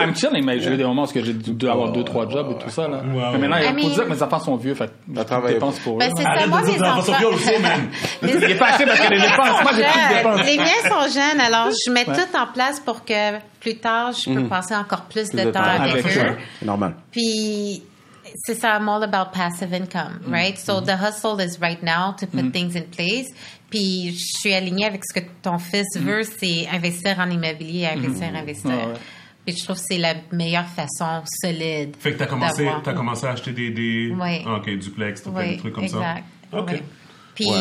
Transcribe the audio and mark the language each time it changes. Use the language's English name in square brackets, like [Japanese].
[English] I'm chilling, [French] mais j'ai eu des moments où j'ai dû avoir 2-3 jobs et tout ça. Là. Wow. Mais maintenant, pour dire que mes enfants sont vieux, fait je travaille. Dépense pour ben, eux. C'est ça, moi, mes enfants sont vieux aussi, man. Il est pas assez parce que les dépenses, moi, j'ai plus de dépenses. Les miens sont jeunes, alors je mets tout en place pour que plus tard, je peux passer encore plus de temps avec eux. Normal. Puis. C'est ça, [English] I'm all about passive income, right? So the hustle is right now to put things in place. [French] Puis je suis alignée avec ce que ton fils veut, c'est investir en immobilier, investir. Oh, ouais. Puis je trouve que c'est la meilleure façon solide. Fait que t'as commencé à acheter des ouais. Oh, okay, duplex, ouais, des trucs comme exact. Ça. Exact. OK. Ouais. Puis